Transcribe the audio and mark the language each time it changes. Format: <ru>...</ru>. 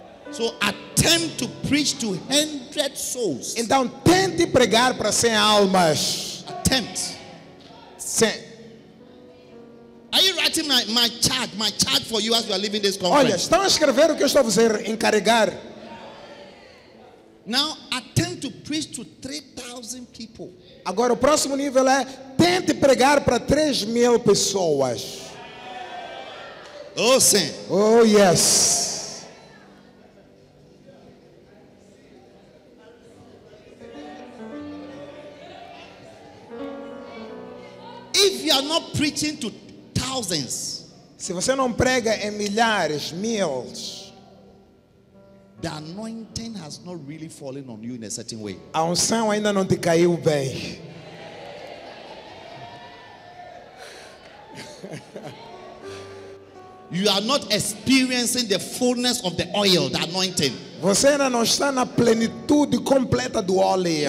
<en>So attempt to preach to 100 souls.</en> <pt>Então tente pregar para 100 almas.</pt> <en>Attempt. Sem. Are you writing my charge for you as you are leaving this conference?</en> <pt>Olha, estão a escrever o que eu estou a fazer, encarregar.</pt> <en>Now attempt to preach to 3,000 people.</en> <pt>Agora o próximo nível é tente pregar para 3,000 pessoas. Oh sim.</pt> <en>Oh yes. If you are not preaching to thousands,</en> <pt>se você não prega em milhares, mils,</pt> <en>the anointing has not really fallen on you in a certain way.</en> <pt>A unção ainda não te caiu bem.</pt> <en>You are not experiencing the fullness of the oil, the anointing.</en> <pt>Você ainda não está na plenitude completa do óleo.</pt>